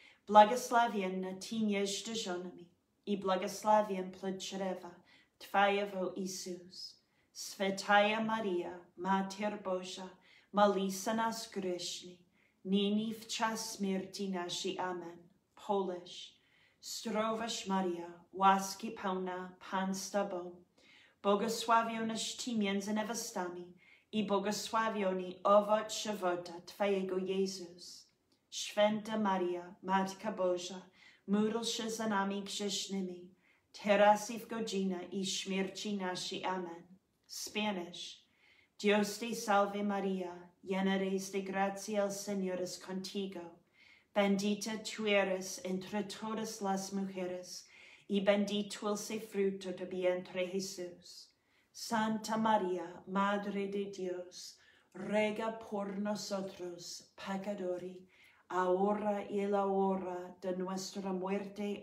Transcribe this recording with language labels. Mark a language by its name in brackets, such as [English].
[Russian] Благословенна ты между женами, и благословен плод чрева твоего, Иисус. Святая Мария, Матерь Божия, молись за нас грешны, ныне и в час смерти нашей. Амен. [English] Polish. [Polish] Zdrowaś Maria, łaski pełna, Pan z Tobą. Błogosławionaś ty między niewiastami, i błogosławiony owoc żywota Twojego, Jezus. Święta Maria, Matka Boża, módl się za nami grzesznymi, teraz i w godzinę i śmierci naszej. Amen. [English] Spanish. [Spanish] Dios te salve Maria, llena eres de gracia, el Señor es contigo. Bendita tú eres entre todas las mujeres, y bendito el fruto de vientre Jesús. Santa Maria, Madre de Dios, rega por nosotros, pecadores, ahora y la hora de nuestra muerte.